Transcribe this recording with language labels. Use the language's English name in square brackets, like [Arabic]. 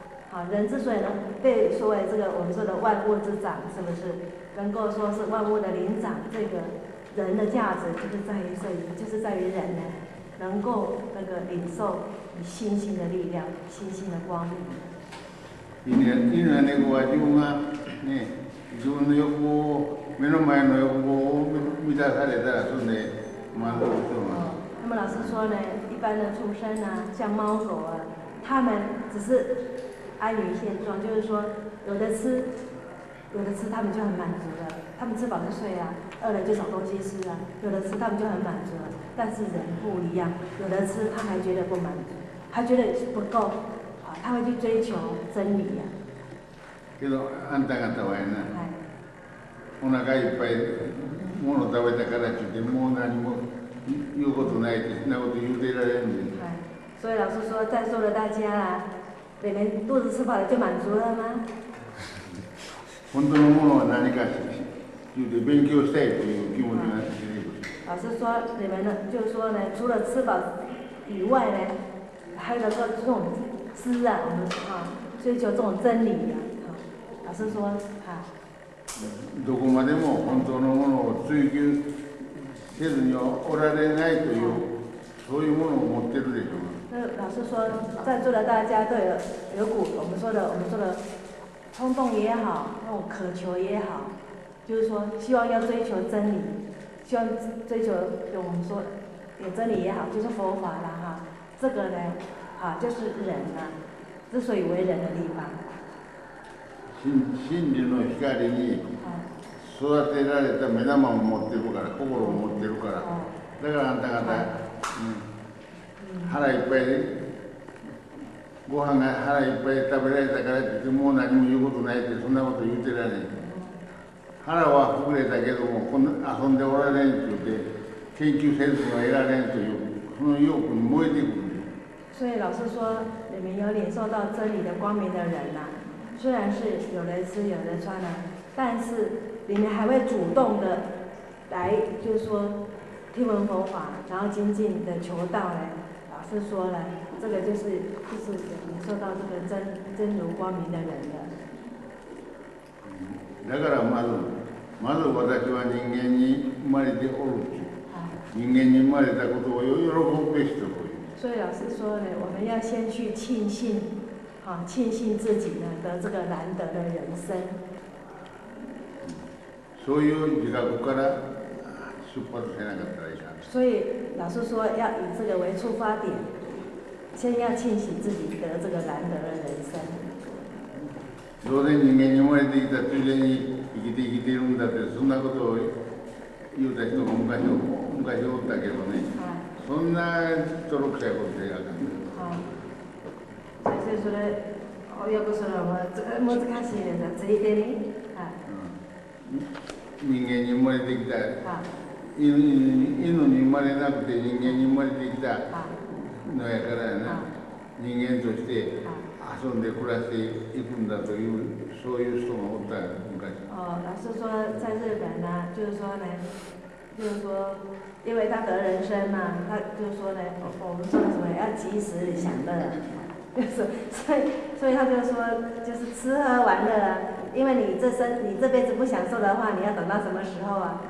[Chinese] 好，人之所以能被说为这个我们说的万物之长，是不是能够说是万物的灵长？这个人的价值就是在于这里，就是在于人呢。能够那个领受你心性的力量，心性的光明。因为那个话，就讲呢， [Japanese] 自分の欲望を、目の前の欲望を満たされたら、それで満足するの。 [Chinese] 那么老师说呢，一般的畜生呢，像猫狗啊，他们只是安于现状，就是说有的吃，有的吃他们就很满足了，他们吃饱就睡啊，饿了就找东西吃啊，有的吃他们就很满足了。但是人不一样，有的吃他还觉得不满足，他觉得不够，啊，他会去追求真理呀、啊。 [Japanese] けどあんた方はね、お腹いっぱい物食べたからって言ってもう何も。言うことないってそんなこと言うてられるんで。はい。 [Chinese] 所以老师说，在座的大家啊，你们肚子吃饱了就满足了吗？ [Japanese] 本当のものは何か言うて勉強したいという気持ちがしている。 [Chinese] 老师说，你们呢，就是说呢，除了吃饱以外呢，还有说这种知啊，我们啊，追求这种真理啊，老师说，哈。 [Japanese] どこまでも本当のものを追求。せずにおられないという、そういうものを持ってるでしょう。 [Chinese] 老师说，在座的大家都有股我们说的冲动也好，那种渴求也好，就是说希望要追求真理，希望追求我们说有真理也好，就是佛法啦哈。这个呢，啊，就是人啊，之所以为人的地方。 [Japanese] 真理の光に。育てられた目玉を持ってるから、心を持ってるから、だからあんた方、腹いっぱいで、ご飯が腹いっぱい食べられたからって言って、もう何も言うことないって、そんなこと言ってられへん。腹は膨れたけども、こんな遊んでおられんって言って、研究センスが得られんという、その欲に燃えてくる。 [Chinese] 所以老師说、你们有領受到真理的光明的人啊，虽然是有人吃有人穿啊，但是你们还会主动的来，就是说听闻佛法，然后精进的求道嘞。老师说了，这个就是领受到这个真如光明的人的。 [Japanese] だからまず私は人間に生まれておる。人間に生まれたことを喜ぶべしと。 [Chinese] 所以老师说呢，我们要先去庆幸，啊，庆幸自己呢得这个难得的人生。 [Japanese] そういう自覚から出発せなかったらいいかん。 [Chinese] 所以老师说要以这个为出发点，先要庆幸自己得这个难得的人生。 [Japanese] 当然人間に生まれてきたついでに生きているんだって、そんなことを言うた人が昔おったけどね、そんな泥臭いことであかんね。 [Chinese] 所以说呢，要不是我 [Japanese] 難しいですついでに。人間に生まれてきた、犬に生まれなくて人間に生まれてきたのやからやな、人間として遊んで暮らしていくんだという、そういう人がおった昔。 [Chinese] 老师说在日本呢，就是说呢，就是说因为他得人生嘛，他就是说呢，我们说什么要及时享乐，就是所以他就说就是吃喝玩乐啊。因为你这辈子不享受的话，你要等到什么时候啊？